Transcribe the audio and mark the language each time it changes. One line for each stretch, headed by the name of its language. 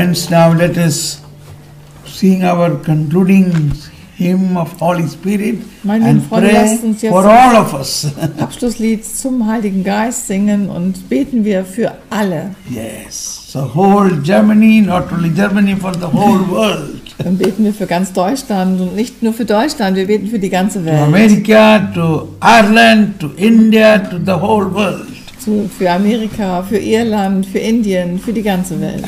English: Now let us sing our concluding hymn of Holy Spirit and pray for all of us.
German: Abschlusslied zum Heiligen Geist singen und beten wir für alle.
English: Yes, so whole Germany, not only Germany, for the whole world.
German: Dann beten wir für ganz Deutschland und nicht nur für Deutschland, wir beten für die ganze Welt.
English: To America, to Ireland, to India, to the whole world.
German: Für Amerika, für Irland, für Indien, für die ganze Welt.